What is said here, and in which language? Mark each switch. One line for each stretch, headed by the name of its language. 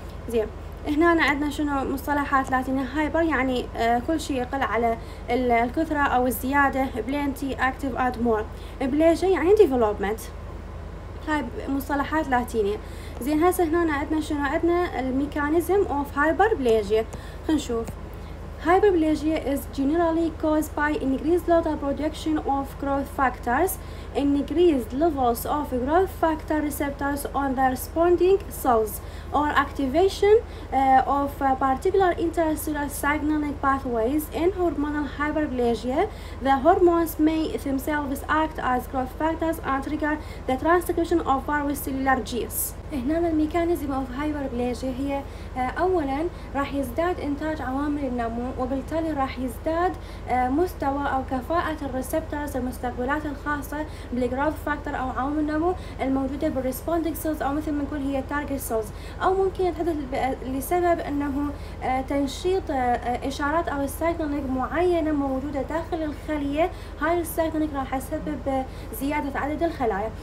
Arabic: زين هنا عندنا شنو مصطلحات لاتينيه، هايبر يعني كل شيء يقل على الكثره او الزياده، بلينتي اكتيف اد مور، بليجيا يعني ديفلوبمنت، هاي مصطلحات لاتينيه. زين هسه هنا عندنا شنو، عندنا الميكانيزم اوف هايبربليجيا. خلينا نشوف.
English: Hyperplasia is generally caused by increased level production of growth factors, increased levels of growth factor receptors on the responding cells, or activation of particular intracellular signaling pathways. In hormonal hyperplasia, the hormones may themselves act as growth factors and trigger the transcription of various cellular genes.
Arabic: هنا الميكانيزم اوف هايبربليجيا هي اولا راح يزداد انتاج عوامل النمو، وبالتالي راح يزداد مستوى او كفاءة الريسبتورز المستقبلات الخاصة بالجروث فاكتور او عوامل النمو الموجودة بالريسبوندينج سيلز او مثل ما نقول هي التارجت سيلز، او ممكن تحدث لسبب انه تنشيط اشارات او السايكلينج معينة موجودة داخل الخلية، هاي السايكلينج راح تسبب زيادة عدد الخلايا.